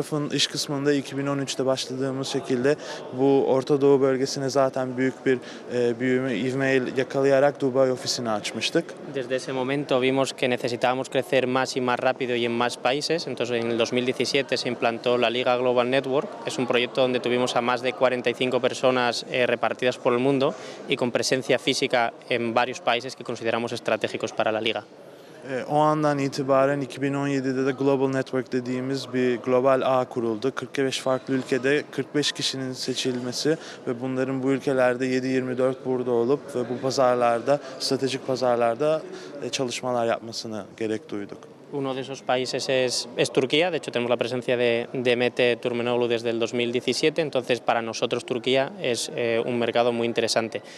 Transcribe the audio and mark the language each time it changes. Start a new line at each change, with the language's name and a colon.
Turkish: İş kısmında 2013'te başladığımız şekilde bu Orta Doğu bölgesine zaten büyük bir büyüme ivmeyi yakalayarak Dubai ofisini açmıştık.
Spanish: Desde ese momento vimos que necesitábamos crecer más y más rápido y en más países. Entonces en el 2017 se implantó la Liga Global Network. Es un proyecto donde tuvimos a más de 45 personas repartidas por el mundo y con presencia física en varios países que consideramos estratégicos para la Liga.
Turkish: O andan itibaren 2017'de de Global Network dediğimiz bir global ağ kuruldu. 45 farklı ülkede 45 kişinin seçilmesi ve bunların bu ülkelerde 7/24 burada olup ve bu pazarlarda, stratejik pazarlarda çalışmalar yapmasını gerek duyduk.
Spanish: Uno de esos países es Turquía, de hecho tenemos la presencia de Mete Turmenoglu desde el 2017, entonces para nosotros Turquía es un mercado muy interesante.